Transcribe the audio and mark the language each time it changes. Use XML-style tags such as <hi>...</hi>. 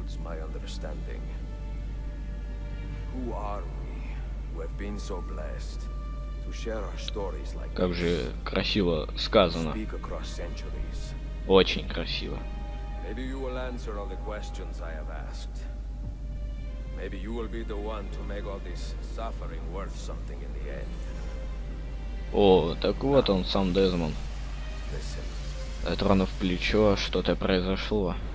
<en>eludes my understanding. Who are we who have been so blessed to share our stories like this?</en> <ru>Как же красиво сказано.</ru> <en>Speak across centuries.</en> <ru>Очень красиво.</ru> <en>Maybe you will answer all the questions I have asked. Maybe you will be the one to make all this suffering worth something in the end.</en> <ru>О, так вот он, сам Дезмон. Тронув плечо, что-то произошло.</ru>